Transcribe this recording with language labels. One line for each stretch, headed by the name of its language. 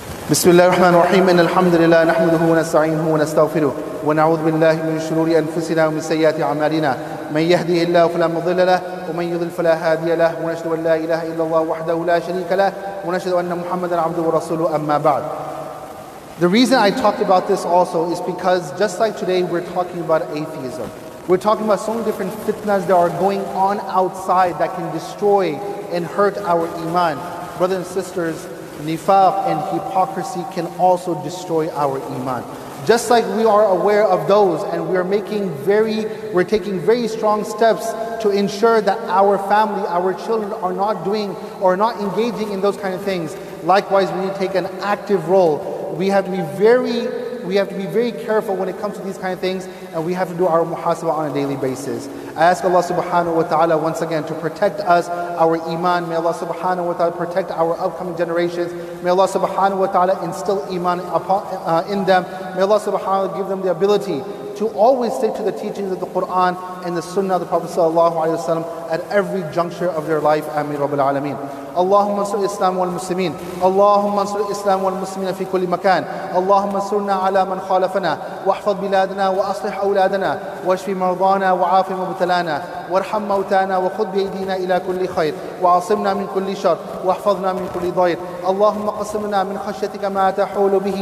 Arabic: بسم الله الرحمن الرحيم إن الحمد لله نحمده ونستعينه ونستغفره ونعوذ بالله من شرور أنفسنا ومن سيئات أعمالنا من يهده الله فلا مضل له ومن يضلل فلا هادي له ونشهد أن لا إله إلا الله وحده لا شريك له ونشهد أن محمدا عبده ورسوله أما بعد.
English: The reason I talked about this also is because just like today we're talking about atheism. We're talking about so many different fitnas that are going on outside that can destroy and hurt our iman. Brothers and sisters, nifaq and hypocrisy can also destroy our iman. Just like we are aware of those and we're taking very strong steps to ensure that our family, our children are not doing or not engaging in those kind of things. Likewise, we need to take an active role. We have to be very careful when it comes to these kind of things, and we have to do our muhasabah on a daily basis. I ask Allah subhanahu wa ta'ala once again to protect us, our iman. May Allah subhanahu wa ta'ala protect our upcoming generations. May Allah subhanahu wa ta'ala instill iman in them. May Allah subhanahu wa ta'ala give them the ability to always stick to the teachings of the Quran and the sunnah of the Prophet sallallahu alayhi wa sallam at every juncture of their life. Ameen Rabbil Alameen.
Arabic: اللهم انصر الاسلام والمسلمين اللهم انصر الاسلام والمسلمين في كل مكان اللهم انصرنا على من خالفنا واحفظ بلادنا واصلح اولادنا واشف مرضانا وعاف مبتلانا وارحم موتانا وخذ بايدينا الى كل خير وعصمنا من كل شر واحفظنا من كل ضير اللهم قسم لنا من خشيتك ما تحول